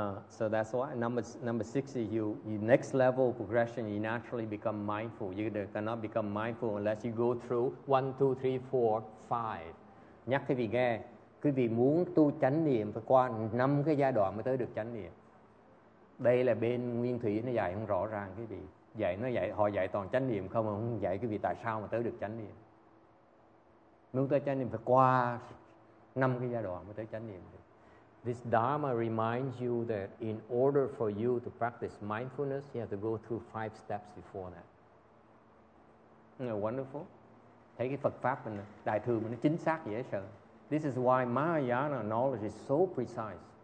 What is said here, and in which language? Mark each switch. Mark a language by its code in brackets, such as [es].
[en] So that's why number six is you next level progression. You naturally become mindful. You cannot become mindful unless you go through 1, 2, 3, 4, 5. [vi] nhắc quý vị nghe, quý vị muốn tu chánh niệm phải qua 5 cái giai đoạn mới tới được chánh niệm. Đây là bên nguyên thủy nó dạy không rõ ràng quý vị. Dạy nó dạy, họ dạy toàn chánh niệm không, mà không dạy quý vị tại sao mà tới được chánh niệm. Muốn tới chánh niệm phải qua 5 cái giai đoạn mới tới chánh niệm. [en] This Dharma reminds you that in order for you to practice mindfulness, you have to go through 5 steps before that. Yeah, wonderful. [vi] Thấy cái Phật Pháp mình, Đại Thừa mình nó chính xác dễ sợ. [en] This is why Mahayana knowledge is so precise.